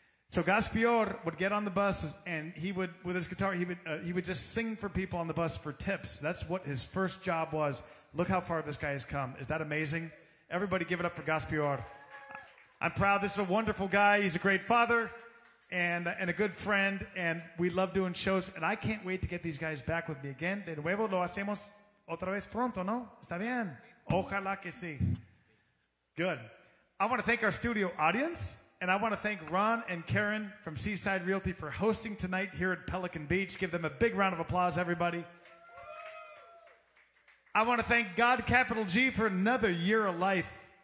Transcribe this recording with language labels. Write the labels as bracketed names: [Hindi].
[English] So Gaspior would get on the buses, and he would, with his guitar, he would just sing for people on the bus for tips. That's what his first job was. Look how far this guy has come. Is that amazing? Everybody give it up for Gaspior. I'm proud. This is a wonderful guy. He's a great father and a good friend, and we love doing shows, and I can't wait to get these guys back with me again. [Spanish] De nuevo lo hacemos otra vez pronto, ¿no? Está bien. Ojalá que sí. [English] Good. I want to thank our studio audience, and I want to thank Ron and Karen from Seaside Realty for hosting tonight here at Pelican Beach. Give them a big round of applause, everybody. I want to thank God Capital G for another year of life.